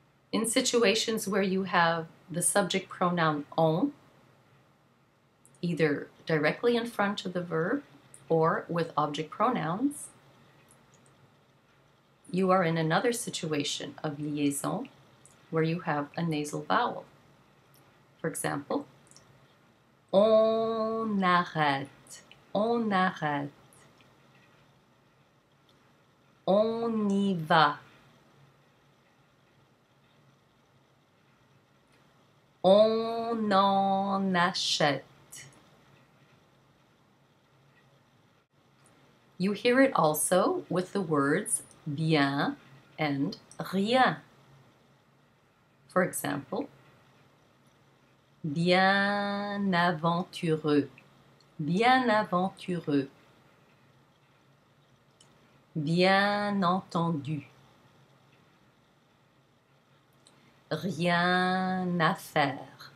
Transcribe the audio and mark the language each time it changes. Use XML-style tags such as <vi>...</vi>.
<en>In situations where you have the subject pronoun en, either directly in front of the verb or with object pronouns, you are in another situation of liaison where you have a nasal vowel. For example,</en> <fr>on arrête, on y va, on en achète.</fr> <en>You hear it also with the words bien and rien. For example,</en> <fr>bien aventureux, bien entendu, rien à faire.</fr>